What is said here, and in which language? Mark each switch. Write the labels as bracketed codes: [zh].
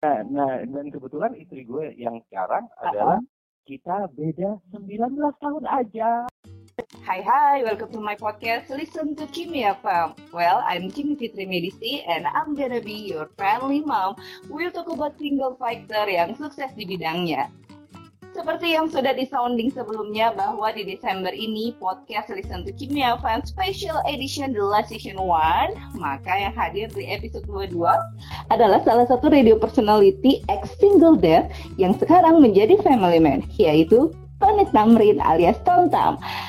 [id] Nah, dan kebetulan istri gue yang sekarang adalah kita beda 19 tahun aja. [en] Hai hai, welcome to my podcast, Listen to Kimia Fam. Well, I'm Kim Fitri Medisi and I'm gonna be your friendly mom. We'll talk about single fighter [id] yang sukses di bidangnya. Seperti yang sudah disounding sebelumnya bahwa di Desember ini podcast Listen to Kimia Fam Special Edition The Last Season 1, maka yang hadir di episode 22 adalah salah satu radio personality ex-single dad yang sekarang menjadi family man, yaitu Tony Tamrin alias Tom Tam.